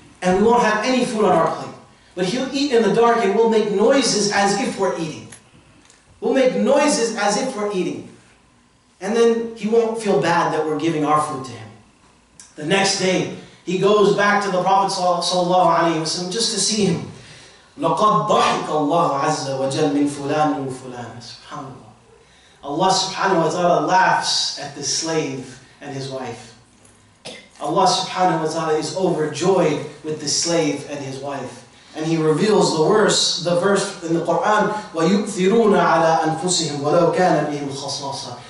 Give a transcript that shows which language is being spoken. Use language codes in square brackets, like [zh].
[en] and we won't have any food on our plate. But he'll eat in the dark and we'll make noises as if we're eating. We'll make noises as if we're eating. And then he won't feel bad that we're giving our food to him. The next day, he goes back to the Prophet sallallahu alaihi wasallam just to see him. [ar] لَقَدْ ضَحِكَ اللَّهُ عَزَّ وَجَلْ مِنْ فُلَانٍ وَفُلَانٍ SubhanAllah. [en] Allah subhanahu wa ta'ala laughs at this slave and his wife. Allah subhanahu wa ta'ala is overjoyed with the slave and his wife. And he reveals the verse in the Qur'an, [ar] وَيُؤْثِرُونَ عَلَىٰ أَنفُسِهِمْ وَلَوْ كَانَ بِهِمْ خَصَاصًا.